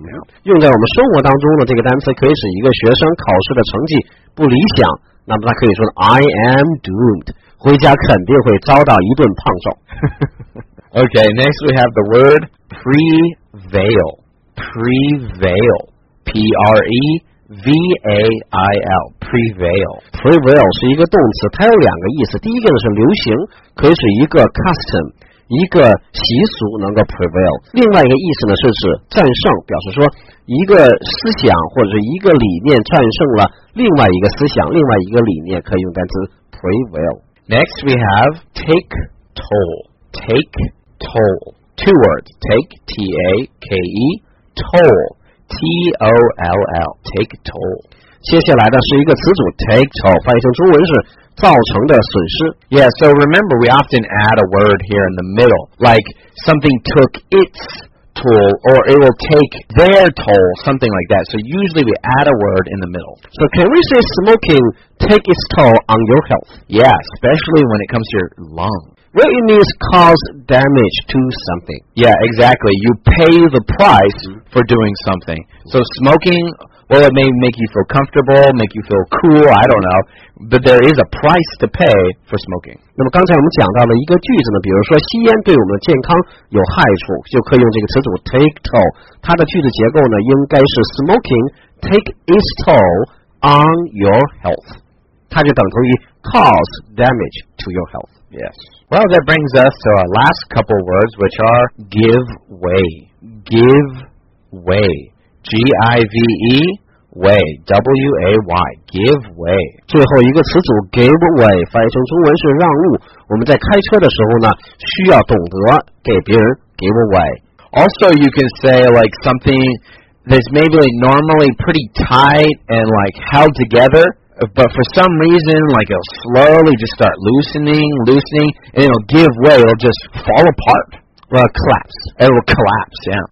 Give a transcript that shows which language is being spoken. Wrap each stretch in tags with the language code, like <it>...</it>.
<en>You know?</en> <zh>用在我们生活当中的这个单词可以使一个学生考试的成绩不理想，那么他可以说</zh> <en>I am doomed.</en> <zh>回家肯定会遭到一顿胖揍。</zh> <en>Okay, next we have the word prevail. Prevail. P-R-E-V-A-I-L. Prevail.</en> <zh>Prevail 是一个动词，它有两个意思。第一个呢是流行，可以是一个 custom, 一个习俗能够 prevail。另外一个意思呢是指战胜，表示说一个思想或者是一个理念战胜了另外一个思想，另外一个理念可以用单词 prevail.</zh> <en>Next we have take toll. Take toll. Two words. Take, T-A-K-E. Toll, T-O-L-L, take toll.</en> <zh>接下来的是一个词组 take toll, 翻译成中文是造成的损失。</zh> <en>Yeah, so remember, we often add a word here in the middle, like something took its toll, or it will take their toll, something like that. So usually we add a word in the middle. So can we say smoking take its toll on your health? Yeah, especially when it comes to your lungs. What it means cause damage to something. Yeah, exactly. You pay the price for doing something. So smoking, well, it may make you feel comfortable, make you feel cool, I don't know. But there is a price to pay for smoking.</en> <zh>那么刚才我们讲到了一个句子呢，比如说吸烟对我们的健康有害处，就可以用这个词组 take toll. 它的句子结构呢，应该是</zh> <en>smoking take its toll on your health.</en> <zh>它就等同于</zh> <en>cause damage to your health. Yes. Well, that brings us to our last couple words, which are give way. Give way. G-I-V-E, way. W-A-Y. Give way.</en> <zh>最后一个词组 give way, 翻译成中文是让路。我们在开车的时候呢，需要懂得给别人 give way.</zh> <en>Also, you can say like something that's maybe like normally pretty tight and like held together. But for some reason, like, it'll slowly just start loosening, and it'll give way, it'll just fall apart. Well, collapse. It will collapse, yeah.</en>